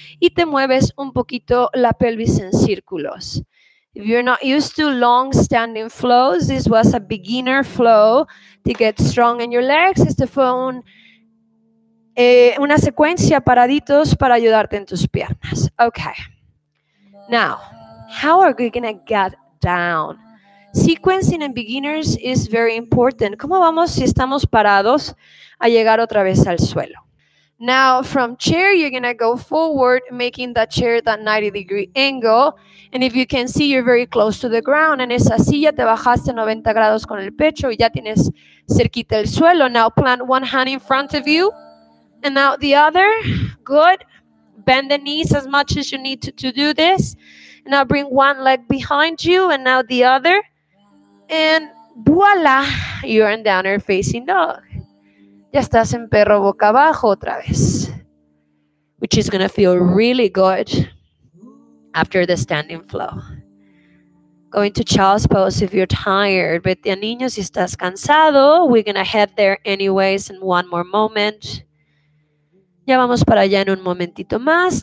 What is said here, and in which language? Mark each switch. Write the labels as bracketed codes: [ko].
[es] Y te mueves un poquito la pelvis en círculos. [en] If you're not used to long standing flows, this was a beginner flow to get strong in your legs. [es] Este fue una secuencia paraditos para ayudarte en tus piernas. [en] Okay. Now, how are we going to get down? Sequencing in beginners is very important. [es] ¿Cómo vamos si estamos parados a llegar otra vez al suelo? [en] Now, from chair, you're going to go forward, making that chair that 90-degree angle. And if you can see, you're very close to the ground. [es] En esa silla te bajaste 90 grados con el pecho y ya tienes cerquita el suelo. [en] Now, plant one hand in front of you. And now the other. Good. Bend the knees as much as you need to do this. Now, bring one leg behind you. And now the other. And voila, you're in downward facing dog. [es] Ya estás en perro boca abajo otra vez. [en] Which is going to feel really good after the standing flow. Going to child's pose if you're tired. [es] Vete a niño si estás cansado. [en] We're going to head there anyways in one more moment. [es] Ya vamos para allá en un momentito más.